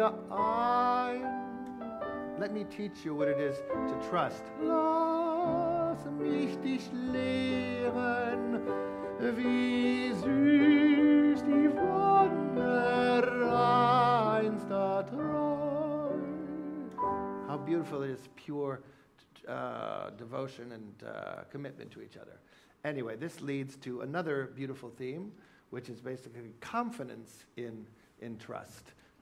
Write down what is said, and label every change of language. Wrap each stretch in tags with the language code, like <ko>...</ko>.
<en>Let me teach you what it is to trust.</en> <de>Lass mich dich lehren, wie süß die Wonne reinster Treu.</de> <en>How beautiful it is, pure devotion and commitment to each other. Anyway, this leads to another beautiful theme, which is basically confidence in trust.</en>